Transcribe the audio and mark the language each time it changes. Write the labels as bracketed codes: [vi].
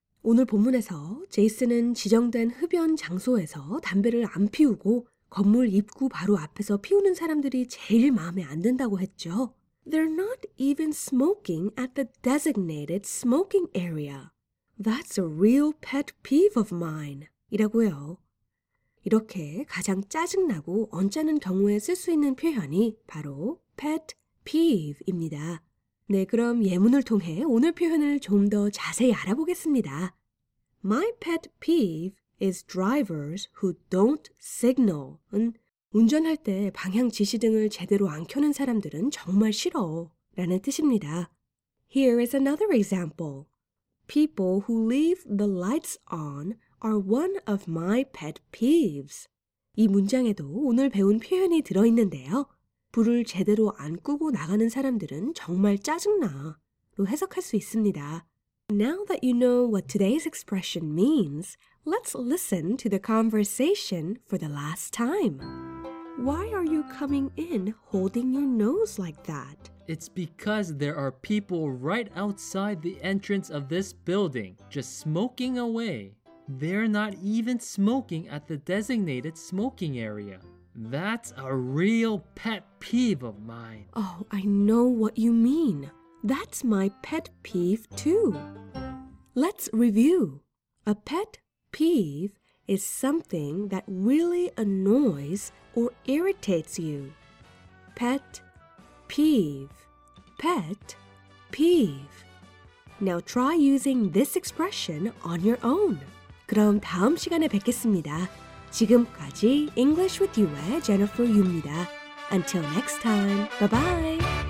[ko] 오늘 본문에서 제이슨은 지정된 흡연 장소에서 담배를 안 피우고 건물 입구 바로 앞에서 피우는 사람들이 제일 마음에 안 든다고 했죠. [en] They're not even smoking at the designated smoking area. That's a real pet peeve of mine. [ko] 이라고요. 이렇게 가장 짜증나고 언짢은 경우에 쓸 수 있는 표현이 바로 pet peeve입니다. 네, 그럼 예문을 통해 오늘 표현을 좀 더 자세히 알아보겠습니다. [en] My pet peeve is drivers who don't signal 은 [ko] 운전할 때 방향 지시등을 제대로 안 켜는 사람들은 정말 싫어 라는 뜻입니다. [en] Here is another example. People who leave the lights on are one of my pet peeves. [ko] 이 문장에도 오늘 배운 표현이 들어있는데요. 불을 제대로 안 끄고 나가는 사람들은 정말 짜증나로 해석할 수 있습니다. [en] Now that you know what today's expression means, let's listen to the conversation for the last time. Why are you coming in holding your nose like that? It's because there are people right outside the entrance of this building, just smoking away. They're not even smoking at the designated smoking area. That's a real pet peeve of mine. Oh, I know what you mean. That's my pet peeve too. Let's review. A pet peeve is something that really annoys or irritates you. Pet, peeve. Pet, peeve. Now try using this expression on your own. [ko] 그럼 다음 시간에 뵙겠습니다. 지금까지 English with You의 Jennifer Yu입니다. [en] Until next time, bye-bye.